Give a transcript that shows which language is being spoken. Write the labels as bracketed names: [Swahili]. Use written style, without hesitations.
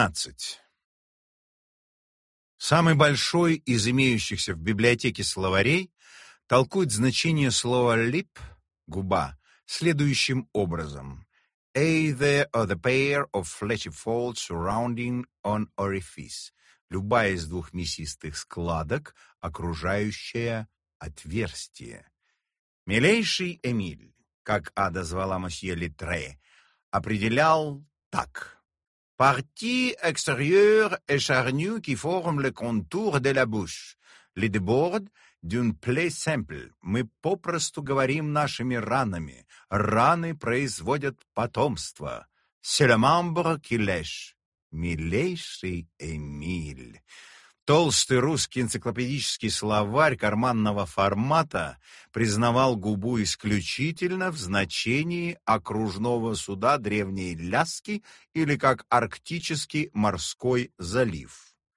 [Russian] XVII. Самый большой из имеющихся в библиотеке словарей толкует значение слова «lip» — «губа» следующим образом. [English] «Either or the pair of fleshy folds surrounding on orifice» — [Russian] «любая из двух мясистых складок, окружающая отверстие». Милейший Эмиль, как Ада звала мосье Литре, определял так. [French] Partie extérieure et charnue qui forme le contour de la bouche, le débord d'une plaie simple. [Russian] Мы попросту говорим нашими ранами. Раны производят потомство. [French] C'est le membre qui lèche. [Russian] Милейший Эмиль. Толстый русский энциклопедический словарь карманного формата признавал губу исключительно в значении окружного суда древней Ляски или как арктический морской залив.